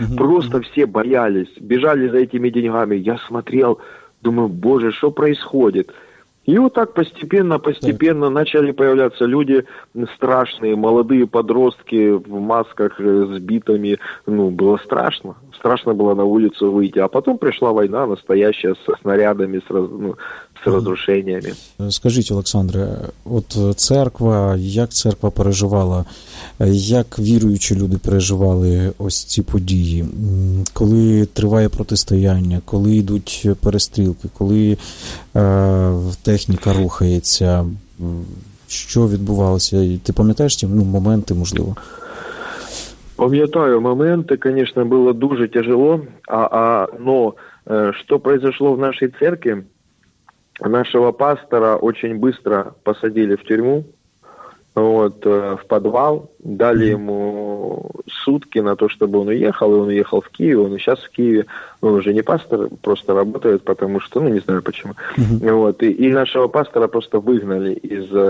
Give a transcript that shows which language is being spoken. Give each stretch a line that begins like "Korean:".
Russian: Просто все боялись, бежали за этими деньгами. Я смотрел, думаю, боже, что происходит? И вот так постепенно начали появляться люди страшные, молодые подростки в масках с битами. Ну, было страшно. Страшно было на улицу выйти. А потом пришла война настоящая со снарядами, с
Ukrainian: з розрушеннями. Скажіть, Олександре, от церква, як церква переживала, як віруючі люди переживали ось ці події, коли триває протистояння, коли йдуть перестрілки, коли техніка рухається, що відбувалося? Ти пам'ятаєш ті моменти, можливо? Пам'ятаю моменти, звісно, було дуже тяжело,
Russian: но что произошло в нашей церкви, нашего пастора очень быстро посадили в тюрьму, вот, в подвал, дали ему сутки на то, чтобы он уехал, и он уехал в Киев, он сейчас в Киеве, он уже не пастор, просто работает, потому что, не знаю почему, вот, и нашего пастора просто выгнали из